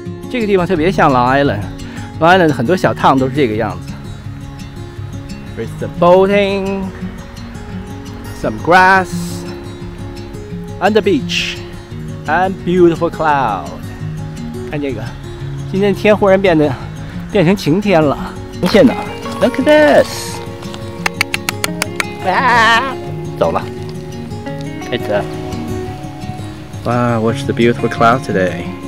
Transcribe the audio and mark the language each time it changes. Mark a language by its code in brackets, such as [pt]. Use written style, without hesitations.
[zh] 这个地方特别像 Long Island， Long Island 很多小town都是这个样子。 [en] There's the boating, some grass, and the beach, and beautiful cloud. [zh] 看这个，今天天忽然变成晴天了。红线的 [en] ，Look at this. [zh] 啊，走了。 [en] It's a wow. What's the beautiful cloud today?